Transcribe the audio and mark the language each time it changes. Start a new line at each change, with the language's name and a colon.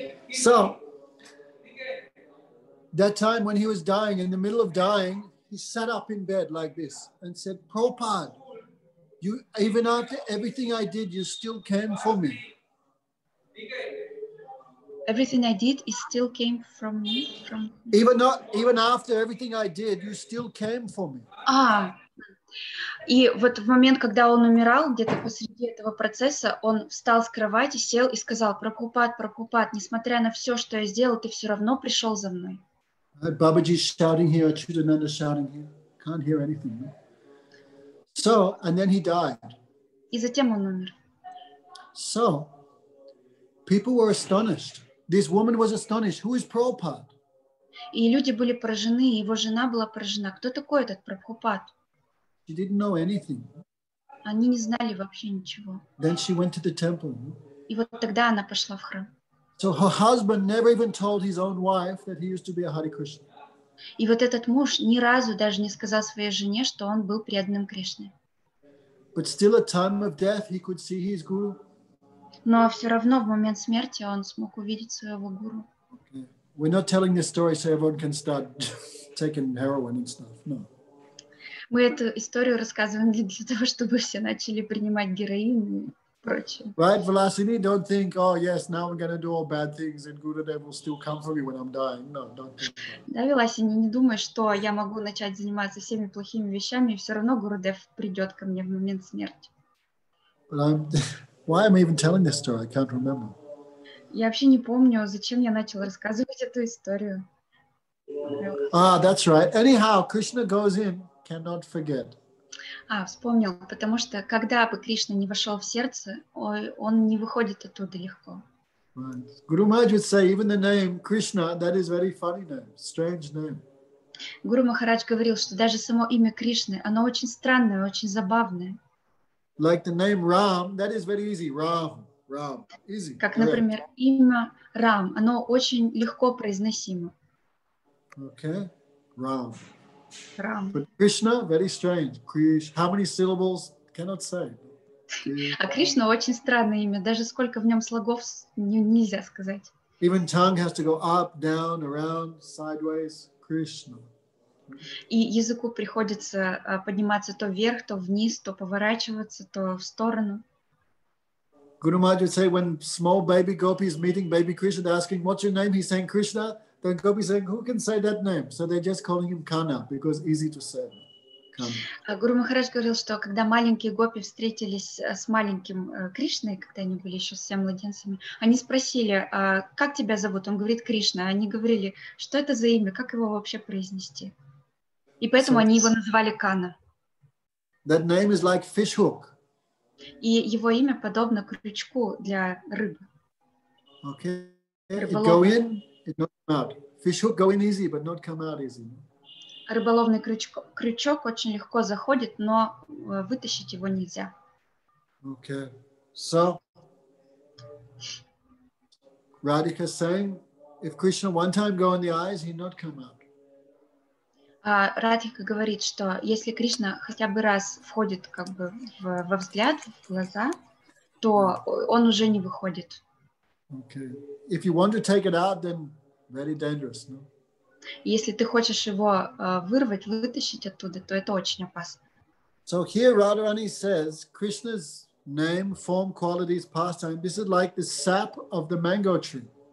English: So that time when he was dying, in the middle of dying, he sat up in bed like this and said, Prabhupada, you even after everything I did, you still came for me. Everything I did, it still came from me. From even after everything I did, you still came for me.
Russian: И вот в момент, когда он умирал, где-то посреди этого процесса, он встал с кровати, сел и сказал: "Прабхупад, Прабхупад, несмотря на все, что я сделал, ты все равно пришел за мной."
English: Babaji shouting here, Chudananda shouting here, can't hear anything. So, and then he died.
Russian: И затем он умер.
English: So, people were astonished. This woman was astonished. Who is Prabhupada?
Russian: И люди были поражены, его жена была поражена. Кто такой этот Прабхупад?
English: She didn't know anything.
Russian: Они не знали вообще ничего.
English: Then she went to the temple.
Russian: И вот тогда она пошла в храм.
English: So her husband never even told his own wife that he used to be a Hare Krishna.
Russian: И вот этот муж ни разу даже не сказал своей жене, что он был преданным Кришне.
English: But still at time of death he could see his guru.
Russian: Но все равно в момент смерти он смог увидеть своего гуру.
English: Okay. We're not telling this story so everyone can start taking heroin and stuff. No.
Russian: Мы эту историю рассказываем не для того, чтобы все начали принимать героин и прочее.
English: Right, Vilasini, don't think, oh yes, now I'm gonna do all bad things and Gurudev will still come for me when I'm dying. No, don't think.
Russian: Да, Vilasini, не думай, что я могу начать заниматься всеми плохими вещами, и все равно Гурудев придет ко мне в момент смерти.
English: Why am I even telling this story? I can't remember.
Russian: Я вообще не помню, зачем я начал рассказывать эту историю.
English: Ah, that's right. Anyhow, Krishna goes in, cannot forget.
Russian: Вспомнил, потому что когда бы Кришна не вошел в сердце, он не выходит оттуда легко.
English: Right. Guru Maharaj would say, even the name Krishna, that is very funny name, strange name.
Russian: Guru Maharaj говорил, что даже само имя Кришны, оно очень странное, очень забавное.
English: Like the name Ram, that is very easy. Ram, easy.
Russian: Как, например, имя Рам, оно очень легко произносимо.
English: Okay, Ram. Ram. But Krishna, very strange. Krish, how many syllables? Cannot say.
Russian: А Кришна очень странное имя. Даже сколько в нем слогов нельзя сказать.
English: Even tongue has to go up, down, around, sideways. Krishna.
Russian: И языку приходится подниматься то вверх, то вниз, то поворачиваться, то в сторону.
English: Guru Maharaj would say, when small baby gopi is meeting baby Krishna, they're asking, what's your name? He's saying Krishna. Then gopi saying, who can say that name? So they're just calling him Kana, because easy to say.
Russian: Гуру Махарадж говорил, что когда маленькие гопи встретились с маленьким Кришной, когда они были еще совсем младенцами, они спросили, как тебя зовут? Он говорит, Кришна. Они говорили, что это за имя, как его вообще произнести? И поэтому они его называли Кана.
English: That name is like fish hook.
Russian: И его имя подобно крючку для рыбы.
English: Okay. It go in, it not come out. Fish hook go in easy, but not come out easy.
Russian: Рыболовный крючок очень легко заходит, но вытащить его нельзя.
English: Okay. So, Radhika is saying, if Krishna one time go in the eyes, he not come out.
Russian: Радхика говорит, что если Кришна хотя бы раз входит как бы во взгляд, в глаза, то он уже не выходит.
English: Okay. If you want to take it out, then very dangerous, no?
Russian: Если ты хочешь его вырвать, вытащить оттуда, то это очень опасно.
English: So here Radharani says, Krishna's name, form, qualities, pastime, this is like the sap of the mango tree.